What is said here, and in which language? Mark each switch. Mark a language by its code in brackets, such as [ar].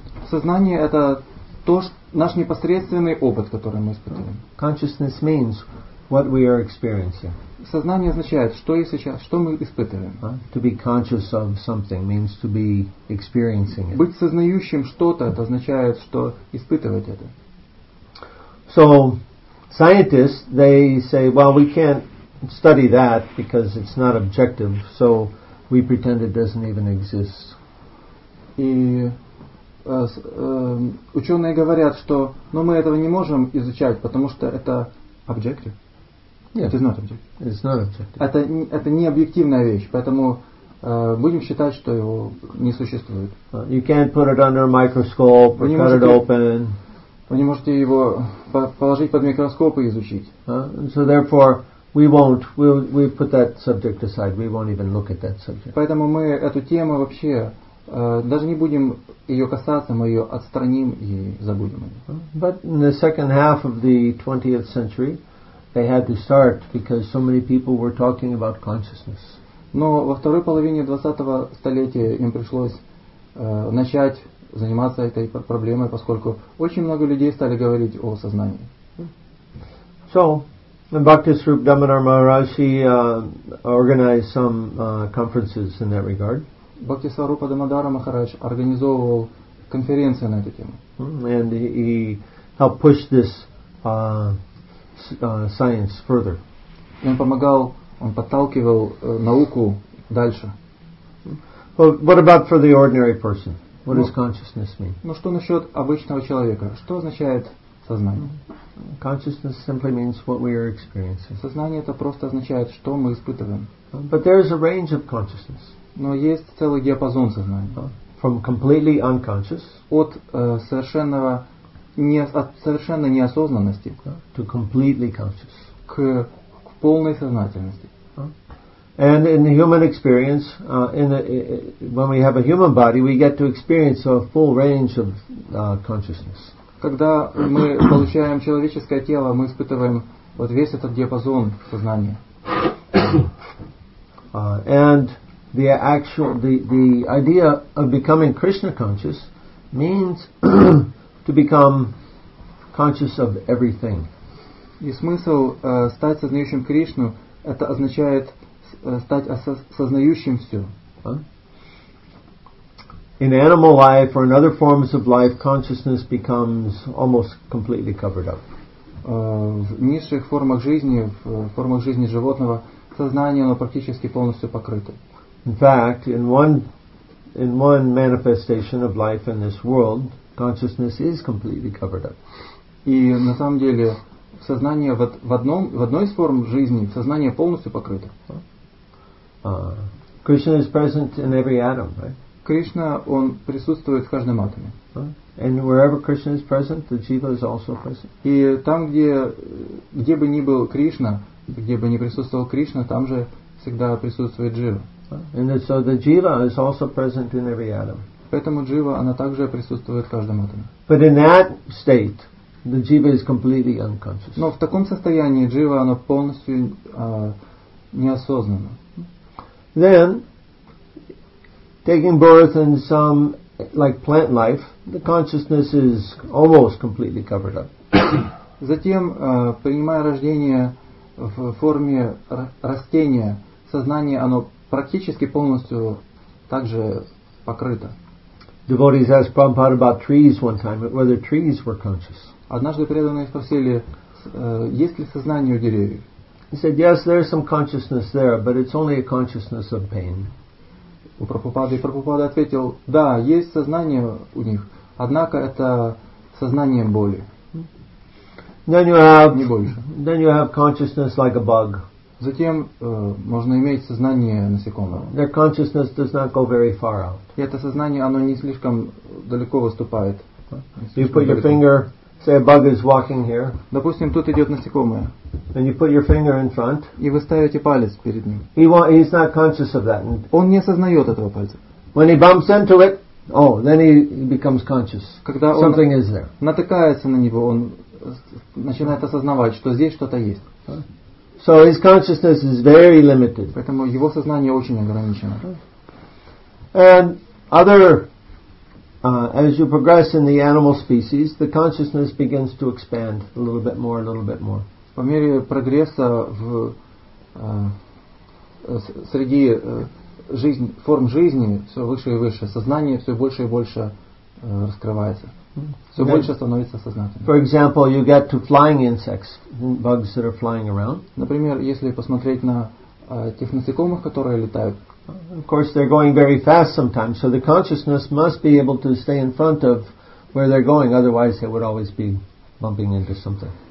[ru] Сознание это то, наш непосредственный опыт, который мы испытываем. [en] Consciousness means what we are experiencing. [ru] Сознание означает, что я сейчас, что мы испытываем. [en] To be conscious of something means to be experiencing it. [ru] Быть сознающим что-то, это означает, что испытывать это. [en] So, scientists, they say, well, we can't study that because it's not objective, so we pretend it doesn't even exist. [ru] И ученые говорят, что но мы этого не можем изучать, потому что это objective. Нет, [en] it's not objective. It's not objective. [ru] Это не объективная вещь, поэтому будем считать, что его не существует. [en] You can't put it under a microscope or cut it open. [ru] Вы не можете его положить под микроскоп и изучить. [en] So therefore, we put that subject aside. We won't even look at that subject. [ru] Поэтому мы эту тему вообще даже не будем ее касаться, мы ее отстраним и забудем о ней. [en] But in the second half of the 20th century, they had to start because so many people were talking about consciousness. [ru] Но во второй половине 20-го столетия им пришлось начать заниматься этой проблемой, поскольку очень много людей стали говорить о сознании. [en] So, Bhaktisrupa Damodar Maharaj organized some conferences in that regard. [ru] Бхактисварупа Дамодара Махарадж организовывал конференции на эту тему. [en] And he helped push this science further. [ru] Он помогал, он подталкивал науку дальше. [en] Well, what about for the ordinary person? What does consciousness mean? [ru] Ну что насчет обычного человека? Что означает сознание? [en] Consciousness simply means what we are experiencing. [ru] Сознание это просто означает, что мы испытываем. [en] But there is a range of consciousness. [ru] Но есть целый диапазон сознания. [en] From completely unconscious. [ru] От совершенного от совершенно неосознанности [en] to completely conscious. [ru] К полной сознательности. [en] And in the human experience, when we have a human body, we get to experience a full range of consciousness. [ru] Когда мы получаем человеческое тело, мы испытываем вот весь этот диапазон сознания. [en] And the idea of becoming Krishna conscious means to become conscious of everything. [ru] И смысл стать сознающим Кришну это означает стать осознающим все. [en] In animal life or in other forms of life, consciousness becomes almost completely covered up. [ru] В низших формах жизни, в формах жизни животного, сознание оно практически полностью покрыто. [en] In fact, in one manifestation of life in this world, consciousness is completely covered up. [ru] И на самом деле сознание в одной из форм жизни сознание полностью покрыто. [en] Krishna is present in every atom, right? [ru] Кришна он присутствует в каждом атоме. [en] And wherever Krishna is present, the jiva is also present. [ru] И там где бы ни был Кришна, где бы ни присутствовал Кришна, там же всегда присутствует джива. [en] And so the jiva is also present in every atom. [ru] Поэтому джива она также присутствует в каждом атоме. [en] But in that state, the jiva is completely unconscious. [ru] Но в таком состоянии джива она полностью неосознанна. [en] Then, taking birth in some like plant life, the consciousness is almost completely covered up. [ru] Затем, принимая рождение в форме растения, сознание оно практически полностью также покрыто. [en] Devotees asked Prabhupada about trees one time, whether trees were conscious. [ru] Однажды преданные спросили, есть ли сознание у деревьев. [en] He said, yes, there's some consciousness there, but it's only a consciousness of pain. [ru] у Прабхупады. И Прабхупада ответил, да, есть сознание у них, однако это сознание боли. Не больше. [en] Then you have consciousness like a bug. [ru] Затем можно иметь сознание насекомого. [en] Their consciousness does not go very far out. [ru] И это сознание, оно не слишком далеко выступает. [en] You put your finger, say a bug is walking here. [ru] Допустим, тут идет насекомое. [en] And you put your finger in front. [ru] И вы ставите палец перед ним. [en] He's not conscious of that. [ru] Он не осознает этого пальца. [en] When he bumps into it, oh, then he becomes conscious. [ru] Когда он [en] something is there. [ru] Натыкается на него, он начинает осознавать, что здесь что-то есть. [en] So his consciousness is very limited. [ru] Поэтому его сознание очень ограничено. [en] And other, as you progress in the animal species, the consciousness begins to expand a little bit more, a little bit more. [ru] По мере прогресса в среди жизни, форм жизни, все выше и выше, сознание все больше и больше раскрывается. Все больше становится сознательным. [en] For example, you get to flying insects, bugs that are flying around. [ru] Например, если посмотреть на тех насекомых, которые летают. [en] Of course, they're going very fast sometimes, so the consciousness must be able to stay in front of where they're going, otherwise they would always be bumping into something.